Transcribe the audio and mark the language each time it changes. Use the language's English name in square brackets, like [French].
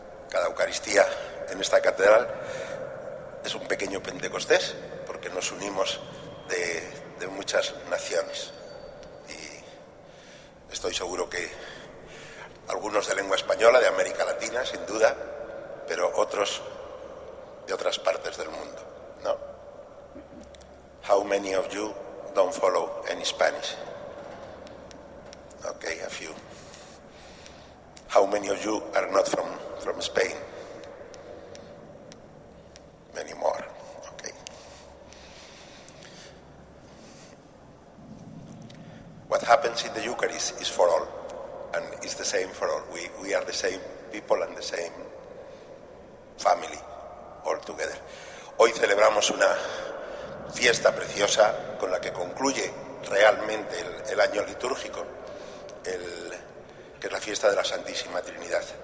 [Spanish] Cada Eucaristía en esta catedral es un pequeño Pentecostés, porque nos unimos de muchas naciones. Y estoy seguro que algunos de lengua española, de América Latina, sin duda, pero otros de otras partes del mundo, ¿no? [English] How many of you don't follow any Spanish? Okay, a few. How many of you are not from Spain? Many more. Okay. What happens in the Eucharist is for all, and it's the same for all. We are the same people and the same family, all together. [Spanish] Hoy celebramos una fiesta preciosa con la que concluye realmente el año litúrgico, que es la fiesta de la Santísima Trinidad.